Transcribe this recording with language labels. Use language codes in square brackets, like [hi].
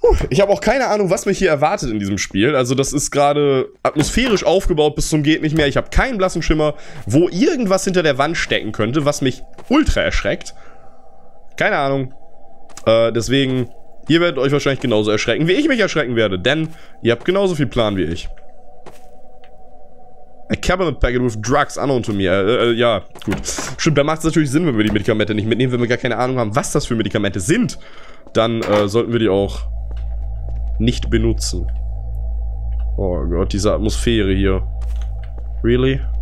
[de] Ich habe auch keine Ahnung, was mich hier erwartet in diesem Spiel. Also das ist gerade atmosphärisch aufgebaut bis zum geht nicht mehr. Ich habe keinen blassen Schimmer, wo irgendwas hinter der Wand stecken könnte, was mich ultra erschreckt. Keine Ahnung. Deswegen, ihr werdet euch wahrscheinlich genauso erschrecken, wie ich mich erschrecken werde, denn ihr habt genauso viel Plan wie ich. [en] A cabinet packet with drugs unknown to me. [de] Ja, gut. Stimmt, da macht es natürlich Sinn, wenn wir die Medikamente nicht mitnehmen, wenn wir gar keine Ahnung haben, was das für Medikamente sind. Dann sollten wir die auch nicht benutzen. Oh Gott, diese Atmosphäre hier. Really?